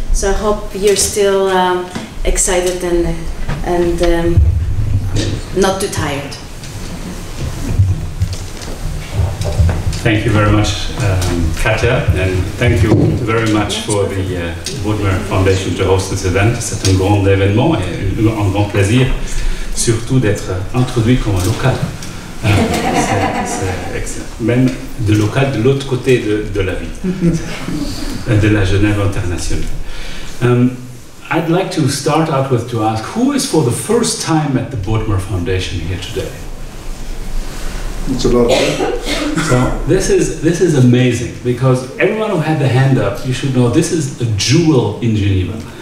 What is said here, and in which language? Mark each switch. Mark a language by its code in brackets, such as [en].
[en] So I hope you're still excited and not too tired. Thank you very much, Katia, and thank you very much for the Bodmer Foundation to host this event. [fr] C'est un grand événement et un grand plaisir, surtout d'être introduit comme un local. C'est excellent. Même de local de l'autre côté de la ville, de la Genève internationale. [en] I'd like to start out with to ask, who is for the first time at the Bodmer Foundation here today? It's a lot of work. So this is amazing, because everyone who had the hand up, you should know this is a jewel in Geneva.